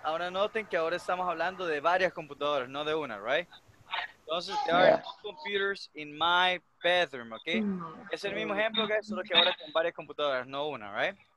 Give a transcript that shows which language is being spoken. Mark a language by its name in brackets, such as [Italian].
[Spanish] Ahora noten que ahora estamos hablando de varias computadoras, no de una, right? Entonces, [English] there are no computers in my bedroom, okay? Mm-hmm. [Spanish] Es el mismo ejemplo, guys, solo que ahora con varias computadoras, no una, right?